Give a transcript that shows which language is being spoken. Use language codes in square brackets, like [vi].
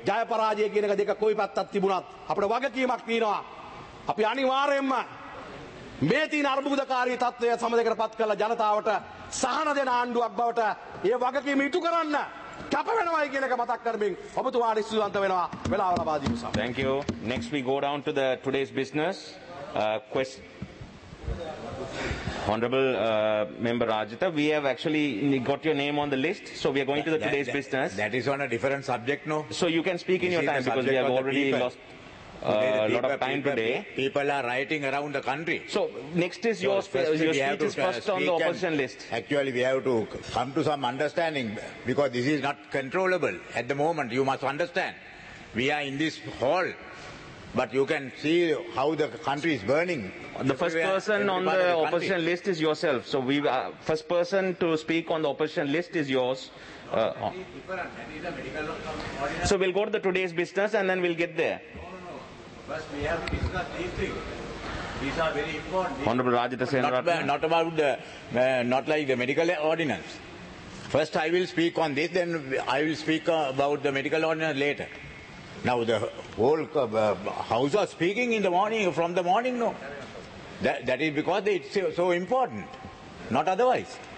[si] ජය පරාජය කියන එක දෙක කොයි පැත්තක් තිබුණත් අපේ වගකීමක් තියෙනවා අපි අනිවාර්යයෙන්ම මේ තියෙන අර්බුදකාරී තත්ත්වය සමදකරපත් කළ ජනතාවට සහන දෙන ආණ්ඩුවක් බවට මේ වගකීම ඉටු කරන්න කැප වෙනවයි කියන එක මතක් කරමින් ඔබතුමා නිස්සුලන්ත වෙනවා වෙලාව ලබා දීම සමග [en] thank you next we go down to the today's business question honorable member rajita we have actually got your name on the list so we are going to the today's business that is on a different subject no so you can speak in your time because we have already lost a lot of time today people are writing around the country so next is your speech is first on the opposition list actually we have to come to some understanding because this is not controllable at the moment you must understand we are in this hall but you can see how the country is burning the first person on the opposition list is yourself so we first person to speak on the opposition list is yours so we'll go to the today's business and then we'll get there honorable rajita sen not about the not like the medical ordinance first I will speak on this then I will speak about the medical ordinance later now the whole house are speaking in the morning from the morning no that is because it's so important not otherwise